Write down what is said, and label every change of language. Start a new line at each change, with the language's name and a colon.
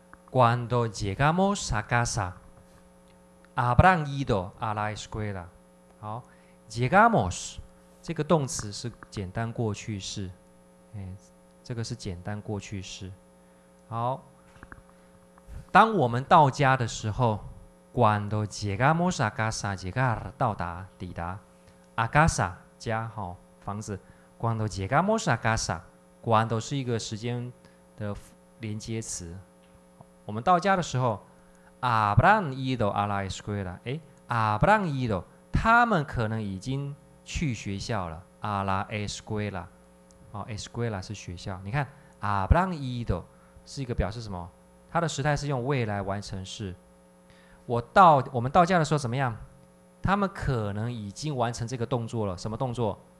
Spanish: Cuando llegamos a casa, habrán ido a la escuela。
Chinese: 好 ，llegamos 这个动词是简单过去式，这个是简单过去式。好，当我们到家的时候。
Spanish: Cuando llegamos a casa,
Chinese: llegar 到达抵达 ，
Spanish: a casa
Chinese: 家哈、哦、房子。
Spanish: Cuando llegamos a casa,
Chinese: cuando 是一个时间的连接词。我们到家的时候 ，
Spanish: habrán ido a la escuela。
Chinese: 哎 ，
Spanish: habrán ido，
Chinese: 他们可能已经去学校了。
Spanish: a la escuela，
Chinese: 哦 ，escuela 是学校。你看 ，habrán ido 是一个表示什么？它的时态是用未来完成式。我们到家的时候怎么样？他们可能已经完成这个动作了。什么动作？